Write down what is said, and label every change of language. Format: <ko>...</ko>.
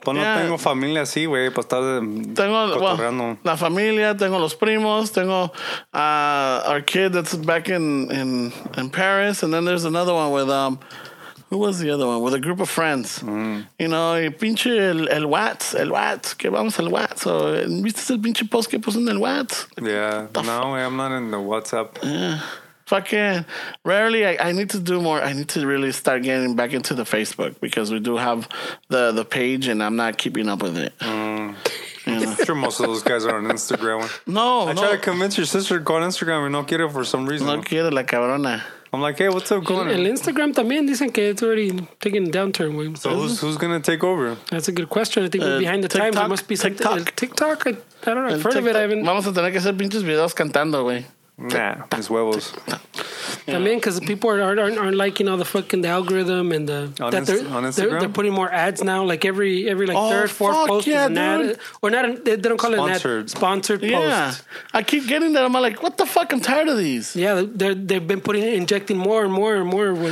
<es>Pues no tengo familia así, güey. Pues está cotorreando. Well, la familia, tengo los primos, tengo</es> <en>our kid that's back in Paris. And then there's another one with, who was the other one? With a group of friends. Mm.</en> <es>You know, y pinche el Watts. Que vamos al Watts. So, ¿viste el pinche post que puso en el Watts?</es> <en>Yeah. No, güey, I'm not in the WhatsApp. Yeah. Fucking rarely. I need to do more. I need to really start getting back into the Facebook because we do have the page and I'm not keeping up with it. I'm sure most of those guys are on Instagram. No. Try to convince your sister to go on Instagram and</en> <es>no quiere</es> <en>for some reason.</en> <es>No quiere la cabrona.</es> <en>I'm like, hey, what's up, going on? Instagram</en> <es>también dicen que</es> <en>it's already taking a downturn. So who's going to take over? That's a good question. I think we're behind the times. It must be TikTok. I don't know. I've heard of it.</en> <es>Vamos a tener que hacer pinches videos cantando, güey.</es> <en>Nah, his huevos. Yeah. I mean, because people aren't liking all the fucking the algorithm and the on Instagram, they're putting more ads now. Like every like third, fourth post is an ad, or not? They don't call it an ad, sponsored post. Yeah, I keep getting that. I'm like, what the fuck? I'm tired of these. Yeah, they've been injecting more and more and more.</en>